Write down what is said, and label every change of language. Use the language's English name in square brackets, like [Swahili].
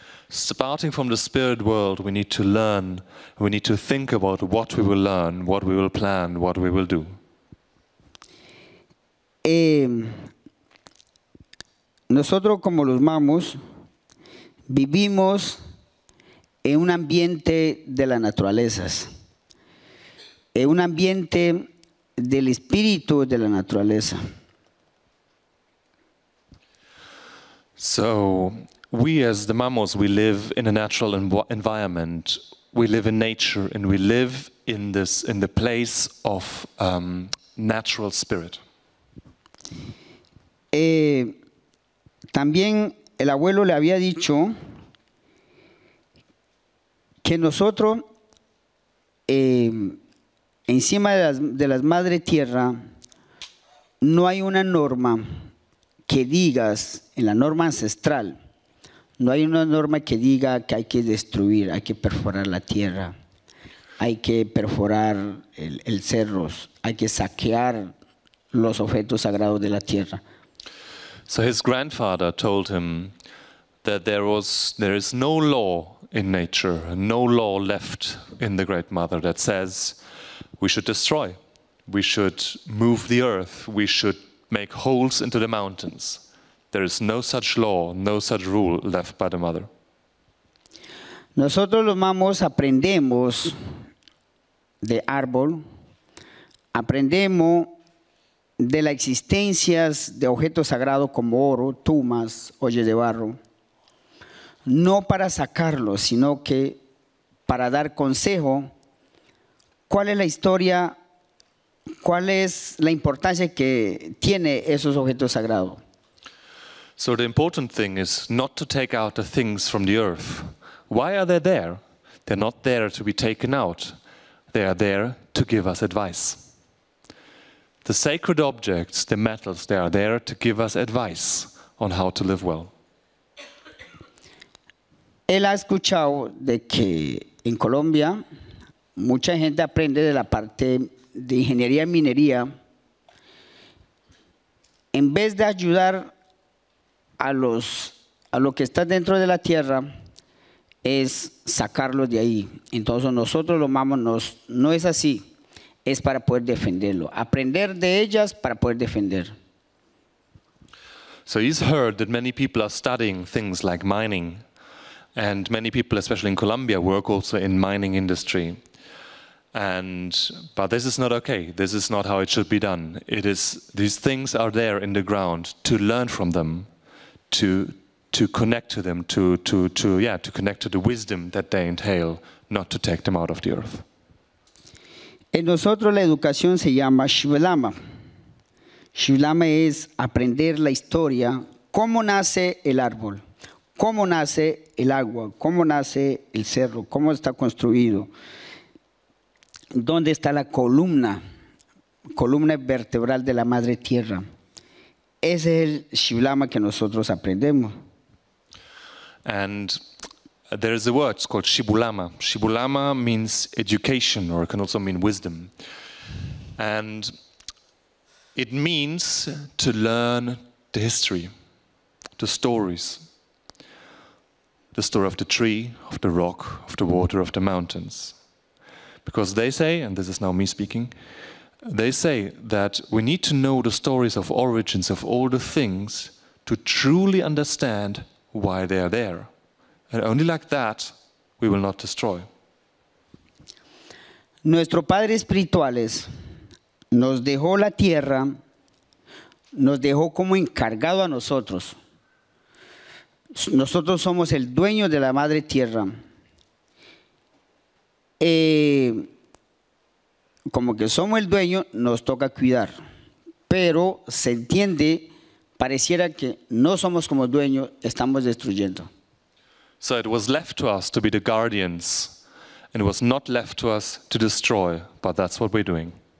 [English] Starting from the spirit world, we need to learn, we need to think about what we will learn, what we will plan, what we will do. [Spanish] Nosotros como los mamos vivimos en un ambiente de las naturalezas, en un ambiente del espíritu de la naturaleza. [English] So, we as the mammals, we live in a natural environment. We live in nature, and we live in this, in the place of natural spirit. [Spanish] También el abuelo le había dicho que nosotros encima de las madre tierra no hay una norma que digas en la norma ancestral, no hay una norma que diga que hay que destruir, hay que perforar la tierra, hay que perforar el cerros, hay que saquear los objetos sagrados de la tierra. [English] So his grandfather told him that there is no law in nature, no law left in the Great Mother that says we should destroy, we should move the earth, we should make holes into the mountains. There is no such law, no such rule left by the Mother. [Spanish] Nosotros los mamos aprendemos de árbol, aprendemos de las existencias de objetos sagrados como oro, tumas, ollas de barro, no para sacarlos, sino que para dar consejo cuál es la historia, cuál es la importancia que tiene esos objetos sagrados. [English] So the important thing is not to take out the things from the earth. Why are they there? They're not there to be taken out. They are there to give us advice. The sacred objects, the metals, they are there to give us advice on how to live well. [Spanish] Él ha escuchado de que en Colombia mucha gente aprende de la parte de ingeniería y minería. En vez de ayudar a lo que está dentro de la tierra, es sacarlo de ahí. Entonces nosotros los mamos no es así. Es para poder defenderlo. Aprender de ellas para poder defender. [English] So he's heard that many people are studying things like mining. And many people, especially in Colombia, work also in mining industry. But this is not okay. This is not how it should be done. These things are there in the ground to learn from them, to connect to them, to connect to the wisdom that they entail, not to take them out of the earth. [Spanish] En nosotros la educación se llama Shivlama. Shivlama es aprender la historia, cómo nace el árbol, cómo nace el agua, cómo nace el cerro, cómo está construido, dónde está la columna vertebral de la madre tierra. Ese es el Shivlama que nosotros aprendemos. [English] And there is a word, it's called Shibulama. Shibulama means education, or it can also mean wisdom. And it means to learn the history, the stories, the story of the tree, of the rock, of the water, of the mountains. Because they say, and this is now me speaking, they say that we need to know the stories of origins of all the things to truly understand why they are there. And only like that, we will not destroy. [Spanish] Nuestros padres espirituales nos dejó la tierra, nos dejó como encargado a nosotros. Nosotros somos el dueño de la madre tierra. Como que somos el dueño, nos toca cuidar. Pero se entiende, pareciera que no somos como dueños, estamos destruyendo. [English] So it was left to us to be the guardians, and it was not left to us to destroy, but that's what we're doing.